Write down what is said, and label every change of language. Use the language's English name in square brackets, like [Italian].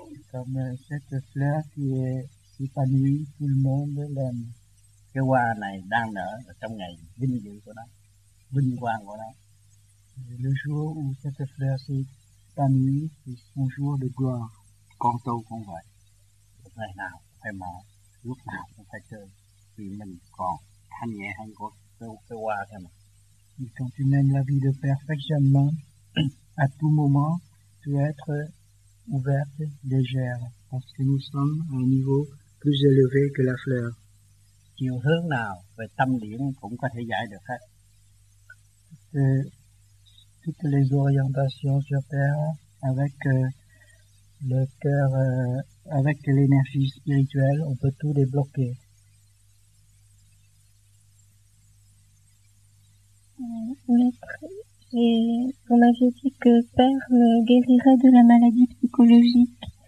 [French] Comme cette fleur qui est épanouie, tout le monde l'aime. [Vietnamese] Cái hoa này đang nở trong ngày vinh dự của nó, vinh quang của nó. [French] Le jour où cette fleur s'épanouit, c'est son jour de gloire. [Vietnamese] Con tu cũng vậy, lúc ngày nào cũng phải mở, lúc nào cũng phải chơi, vì mình còn thanh nhẹ hơn con cái hoa thôi mà. Thì [French] quand tu mènes la vie de perfectionnement, à tout moment, tu dois être ouverte, légère, parce que nous sommes à un niveau plus élevé que la fleur. [Vietnamese] Chiều hướng nào về tâm điển cũng có thể giải được hết. [French] Toutes les orientations sur terre avec le cœur, avec l'énergie spirituelle, on peut tout débloquer. Maître, vous m'aviez dit que Père me guérirait de la maladie psychologique.